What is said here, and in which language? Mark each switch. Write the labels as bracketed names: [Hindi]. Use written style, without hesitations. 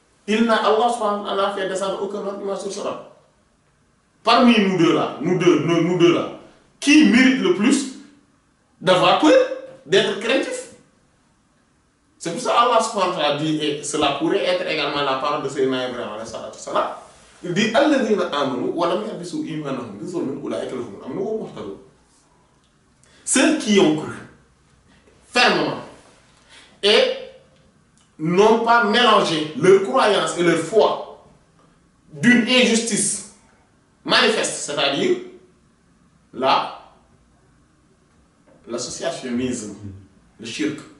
[French] Il n'a Allah subhanahu wa ta'ala fait descendre aucun argument sur cela. Parmi nous deux là, qui mérite le plus d'avoir peur, d'être créatif? C'est pour ça que Allah subhanahu wa ta'ala dit, et cela pourrait être également la parole de Seyyidina Ibrahim alayhi salatu wa salam, [Arabic] دي الذين آمنوا ولم يلبسوا إيمانهم بظلم أولئك لهم الأمن وهم مهتدون. [French] Ceux qui ont cru fermement et n'ont pas mélangé leur croyance et leur foi d'une injustice manifeste, c'est-à-dire l'associationnisme, le shirk.